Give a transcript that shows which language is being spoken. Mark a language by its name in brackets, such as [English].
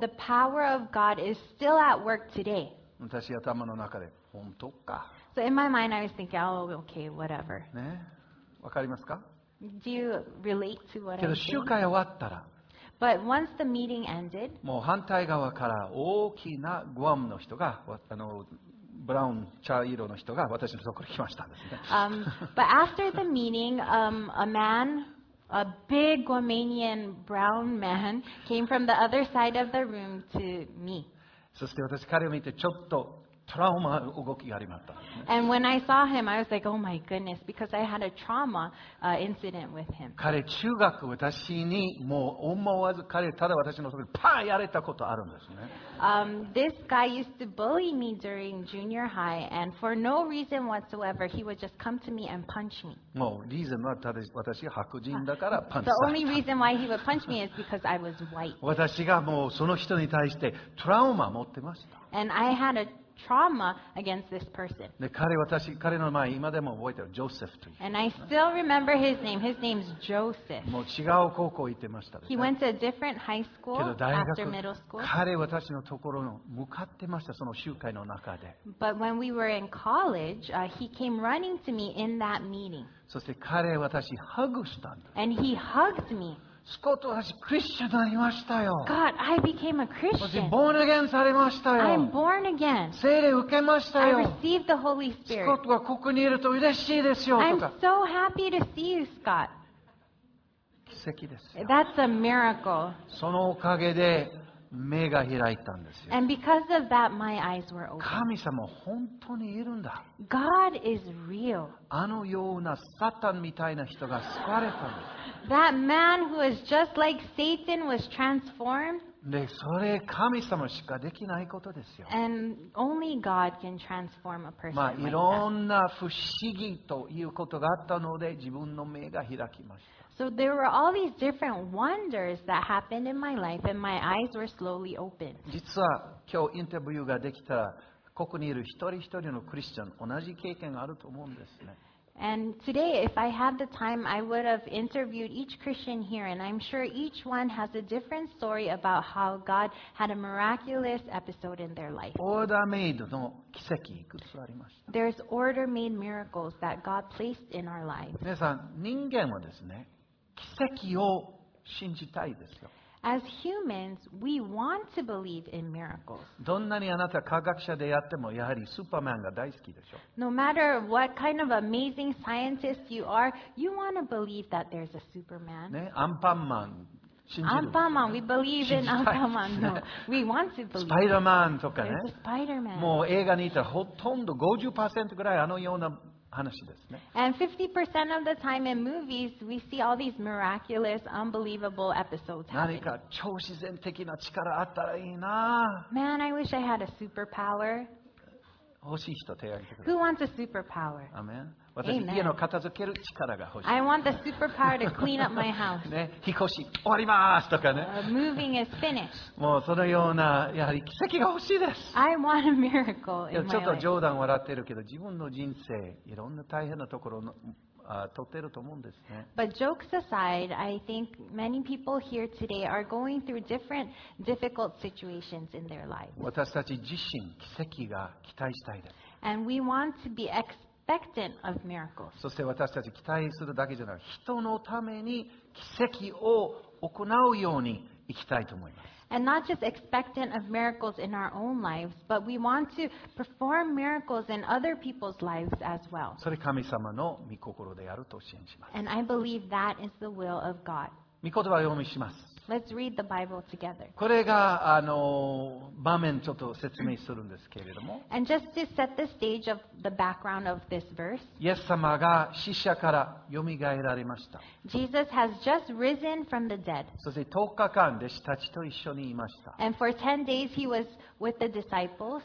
[English] The power of God is still at work today. [Japanese] 私頭の中で本当か。 [English] So in my mind, I was thinking, oh, okay, whatever. [Japanese] ね。わかりますか？ [English] Do you relate to what [Japanese] けど集会終わったら [English] But once the meeting ended, [Japanese] もう反対側から大きなグアムの人があのブラウン茶色の人が私のところに来ましたんですね。 [English] But after the meeting, a man, a big Guamanian brown man, came from the other side of the room to me. [Japanese] そして私彼を見てちょっとトラウマ動きがありました。 [English] And when I saw him, I was like, oh my goodness, because I had a trauma incident with him. [Japanese] 彼中学私にもう思わず彼ただ私のところにパーやれたことあるんですね。 [English] This guy used to bully me during junior high, and for no reason whatsoever, he would just come to me and punch me. [Japanese] もうリーズンはただ私白人だからパンチ。 [English] The only reason why he would punch me is because I was white. [Japanese] 私がもうその人に対してトラウマ持ってました。 [English] And I had aTrauma against this person. [Japanese] 彼の前今でも覚えてる、ジョセフという。 [English] And I still remember his name. His name's Joseph. [Japanese] もう違う高校行ってましたね。 [English] He went to a different high school after middle school. [Japanese] 彼私のところに向かってました、その集会の中で。 [English] But when we were in college, he came running to me in that meeting. [Japanese] そして彼私ハグしたんだ。 [English] And he hugged me. [Japanese] スコット私クリスチャンになりましたよ。 [English] God, I became a Christian. [Japanese] 私 [English] born again [Japanese] されましたよ。 [English] I'm born again. [Japanese] 聖霊受けましたよ。 [English] I received the Holy Spirit. [Japanese] スコットがここにいると嬉しいですよとか。 [English] I'm so happy to see you, Scott. [Japanese] 奇跡ですよ。 [English] That's a miracle. [Japanese] そのおかげで目が開いたんですよ。 [English] And because of that, my eyes were open. [Japanese] 神様本当にいるんだ。 [English] God is real. [Japanese] あのようなサタンみたいな人が救われたんです。 [English] That man who is just like Satan was transformed. [Japanese] で、それ神様しかできないことですよ。 [English] And only God can transform a person. [Japanese] まあ、いろんな不思議ということがあったので、自分の目が開きました。 [English] So there were all these different wonders that happened in my life, and my eyes were slowly opened. [Japanese] 実は今日インタビューができたら、ここにいる一人一人のクリスチャン、同じ経験があると思うんですね。 [English] And today, if I had the time, I would have interviewed each Christian here, and I'm sure each one has a different story about how God had a miraculous episode in their life. Order made [Japanese] の奇跡いくつありました。 [English] There's order made miracles that God placed in our lives. [Japanese] 皆さん、人間はですね、奇跡を信じたいですよ。 [English] As humans, we want to believe in miracles. [Japanese] どんなにあなた科学者でやっても、やはりスーパーマンが大好きでしょ。 [English] No matter what kind of amazing scientist you are, you want to believe that there's a Superman. [Japanese] ね、アンパンマン信じる。 [English] アンパンマン、we believe in アンパンマン。No, we want to believe. [Japanese] スパイダーマンとかね。 [English] There's a Spider-Man. [Japanese] もう映画にいたらほとんど 50% ぐらいあのような話ですね。 [English] And 50% of the time in movies, we see all these miraculous, unbelievable episodes happen. [Japanese] 何か超自然的な力あったらいいな。 [English] Man, I wish I had a superpower. [Japanese] 欲しい人手挙げてください。 [English] Who wants a superpower? Amen. [Japanese] 私、 [English] Amen. [Japanese] 家の片付ける力が欲しい。 [English] I want the superpower to clean up my house. [Japanese] ね、引っ越し終わりますとかね。 [English] Moving is finished. [Japanese] もうそのようなやはり奇跡が欲しいです。 [English] I want a miracle in my life. [Japanese] ちょっと冗談笑ってるけど、自分の人生いろんな大変なところの。取ってると思うんですね。 [English] But jokes aside, I think many people here today are going through different difficult situations in their lives. [Japanese] 私たち自身、奇跡が期待したいです。 [English] And we want to be expectant of miracles. [Japanese] そして私たち期待するだけじゃなく、人のために奇跡を行うように行きたいと思います。 [English] And not just expectant of miracles in our own lives, but we want to perform miracles in other people's lives as well. [Japanese] それ神様の御心であると信じます。 [English] And I believe that is the will of God. [Japanese] 御言葉を読みします。 [English] Let's read the Bible together. [Japanese] これが場面ちょっと説明するんですけれども。 [English] And just to set the stage of the background of this verse. [Japanese] イエス様が死者から蘇られました。 [English] Jesus has just risen from the dead. [Japanese] そして10日間弟子たちと一緒にいました。 [English] And for 10 days he was with the disciples.